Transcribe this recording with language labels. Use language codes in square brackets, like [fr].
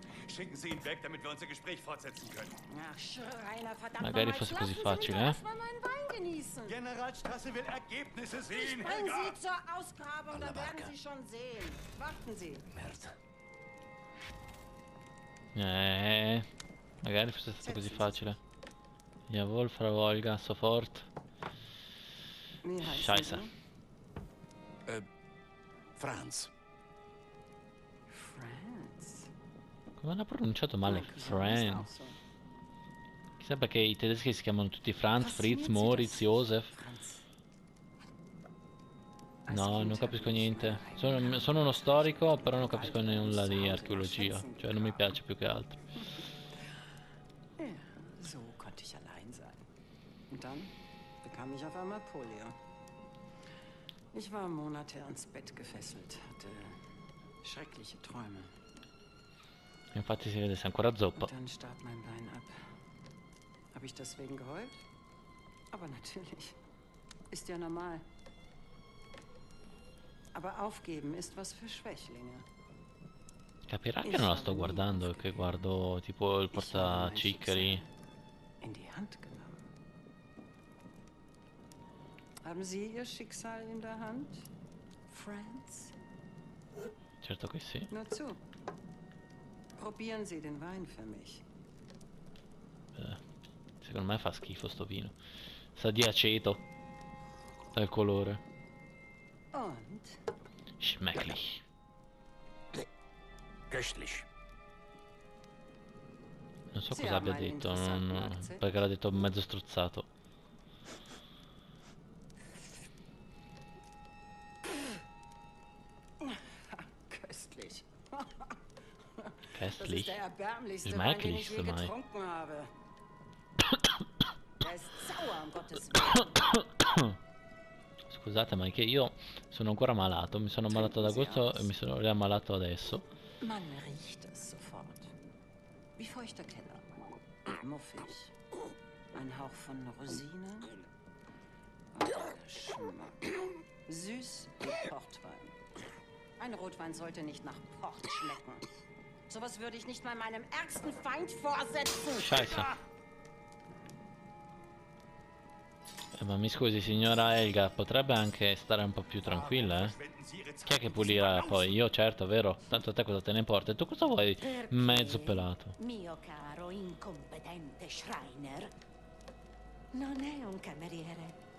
[de] Schicken Sie ihn weg, damit wir unser Gespräch fortsetzen können. Ach, Schreiner, verdammt. Magari, fast quasi fatschig, ne? Generalstrasse will Ergebnisse sehen. Ich bring Sie zur Ausgrabung, da werden Sie schon sehen. Warten Sie. [it] Merda. Magari fosse stato così facile. [de] Jawohl, Frau Olga, sofort. Scheiße. Franz. Franz? [it] Come l'ha pronunciato male? Franz. Chissà perché i tedeschi si chiamano tutti Franz, Fritz, Moritz, Josef. No, non capisco niente. Sono uno storico, però non capisco nulla di archeologia. Cioè, non mi piace più che altro. [de] So konnte ich allein sein. Und dann bekam ich auf einmal Polio. Ich war Monate ans Bett gefesselt, hatte schreckliche Träume. [it] Infatti si vede, sei ancora zoppo. [de] Und dann starb mein Bein ab. Habe ich deswegen geheult? Aber natürlich. Ist ja normal. Aber aufgeben ist was für Schwächlinge. [it] Capirà che non la sto guardando, che guardo tipo il portaciccheri. [de] In die Hand genommen. Haben Sie Ihr Schicksal in der Hand, Franz? [it] Certo che sì. [de] Nur zu. Probieren Sie den Wein für mich. [it] Secondo me fa schifo sto vino. Sa di aceto. Dal colore. [de] Und? Schmecklich. Köstlich. [it] Non so cosa abbia detto, non... perché l'ha detto mezzo strozzato. [de] Köstlich. Köstlich. Das ist der erbärmlichste Wein, den ich je getrunken habe. Er ist sauer, um Gottes Willen. [it] Scusate, ma che io sono ancora malato. Mi sono malato ad agosto e mi sono riammalato adesso. [de] Man riecht es sofort. Wie feuchter Keller. Muffig. Ein Hauch von Rosinen. Schmack. Süß wie Portwein. Ein Rotwein sollte nicht nach Port schmecken. Sowas würde ich nicht mal meinem ärgsten Feind vorsetzen. Scheiße. [it] Ma mi scusi, signora Helga, potrebbe anche stare un po' più tranquilla, eh? Chi è che pulirà poi? Io, certo, vero? Tanto a te cosa te ne importa? E tu cosa vuoi? Mezzo pelato. Mio caro incompetente Schreiner, non è un cameriere.